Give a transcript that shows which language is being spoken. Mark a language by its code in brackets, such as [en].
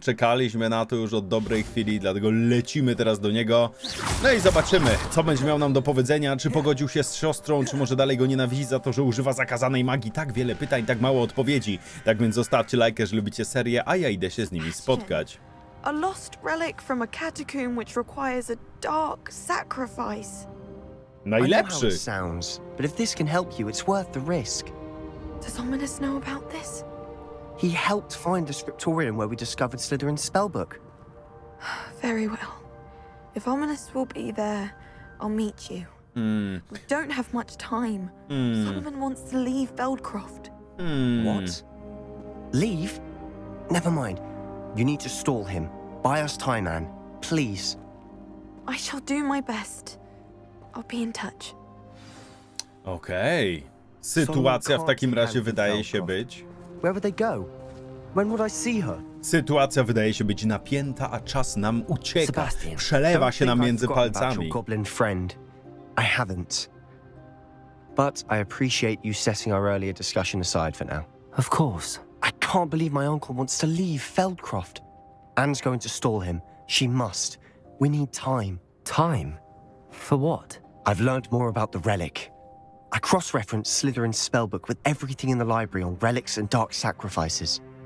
[pl] Czekaliśmy na to już od dobrej chwili, dlatego lecimy teraz do niego. No i zobaczymy, co będzie miał nam do powiedzenia. Czy pogodził się z siostrą, czy może dalej go nienawidzi za to, że używa zakazanej magii. Tak wiele pytań, tak mało odpowiedzi. Tak więc zostawcie lajkę, jeżeli lubicie serię, a ja idę się z nimi spotkać. [en] A lost relic from a catacomb which requires a dark sacrifice. [pl] Najlepszy. [en] I know how it sounds, but if this can help you, it's worth the risk. Does Ominous know about this? He helped find the scriptorium where we discovered Slytherin's spellbook. Very well. If Ominous will be there, I'll meet you. We don't have much time. Solomon wants to leave Feldcroft. What? Leave? Never mind. You need to stall him. Buy us time, Anne. Please. I shall do my best. I'll be in touch. Okej. Okay. [pl] Sytuacja w takim razie wydaje się być... [en] Where would they go? When would I see her? [pl] Sytuacja wydaje się być napięta, a czas nam ucieka. Przelewa się nam między palcami. [en] Goblin friend. I haven't. But I appreciate you setting our earlier discussion aside for now. Of course. I can't believe my uncle wants to leave Feldcroft. Anne's going to stall him. She must. We need time. Time? For what? I've learned more about the relic. I cross-referenced Slytherin's spellbook with everything in the library on relics and dark sacrifices.